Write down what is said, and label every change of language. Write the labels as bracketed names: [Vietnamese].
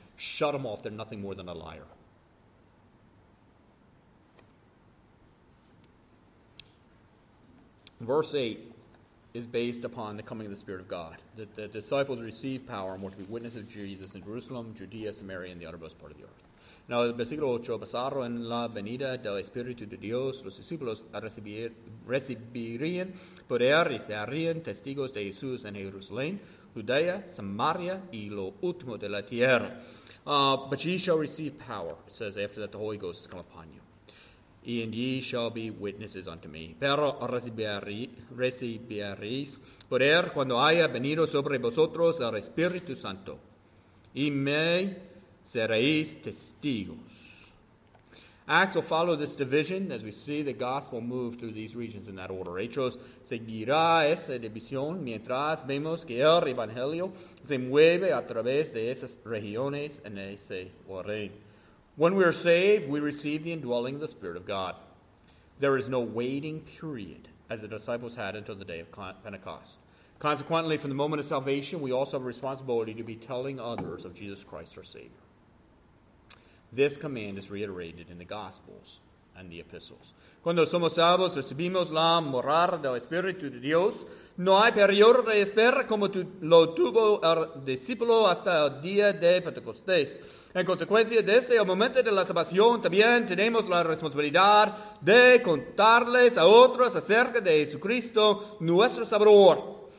[English] Shut them off. They're nothing more than a liar. Verse 8 is based upon the coming of the Spirit of God. The disciples received power and were to be witnesses of Jesus in Jerusalem, Judea, Samaria, and the uttermost part of the earth. [Spanish] Now, el versículo 8, pasaron en la venida del Espíritu de Dios, los discípulos recibirían poder y serían testigos de Jesús en Jerusalén, Judea, Samaria, y lo último de la tierra. [English] But ye shall receive power, it says, after that the Holy Ghost has come upon you. And ye shall be witnesses unto me. [Spanish] Pero recibiréis poder cuando haya venido sobre vosotros el Espíritu Santo. Y me seréis testigos. [English] Acts will follow this division as we see the gospel move through these regions in that order. [Spanish] Hechos seguirá esa división mientras vemos que el Evangelio se mueve a través de esas regiones en ese orden. [English] When we are saved, we receive the indwelling of the Spirit of God. There is no waiting period, as the disciples had until the day of Pentecost. Consequently, from the moment of salvation, we also have a responsibility to be telling others of Jesus Christ our Savior. This command is reiterated in the Gospels and the Epistles. [Spanish] Cuando somos salvos, recibimos la morada del Espíritu de Dios. No hay periodo de espera como lo tuvo el discípulo hasta el día de Pentecostés. En consecuencia, desde el momento de la salvación, también tenemos la responsabilidad de contarles a otros acerca de Jesucristo, nuestro Salvador.